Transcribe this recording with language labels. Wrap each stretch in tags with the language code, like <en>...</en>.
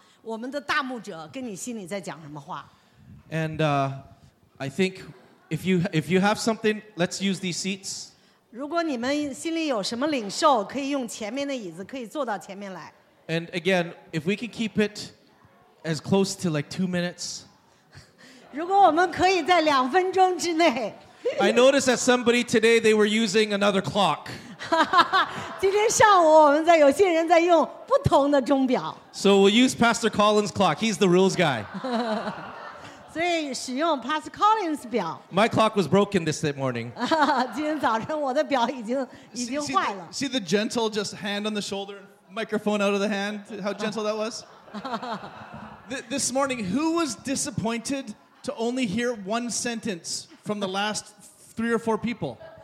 <zh>所以说今天晚上为了让圣灵在我们当中很好的来运行，你就来分享我们的大牧者跟你心里在讲什么话。</zh> <en>And I think if you have something, let's use these seats.</en> <zh>如果你们心里有什么领受，可以用前面的椅子，可以坐到前面来。</zh> <en>And again, if we can keep it as close to like 2 minutes.</en> <zh>如果我们可以在2分钟之内。</zh> <en>I noticed that somebody today, they were using another clock.</en> <zh>今天上午我们在有些人在用不同的钟表。</zh> <en>So we'll use Pastor Collins' clock. He's the rules guy.</en> <zh>所以使用 Pastor Collins表。</zh> <en>My clock was broken this morning.</en> <zh>今天早晨我的表已经坏了。</zh> <en>See the gentle just hand on the shoulder, microphone out of the hand, how gentle that was? This morning, who was disappointed to only hear one sentence from the last 3 or 4 people?</en>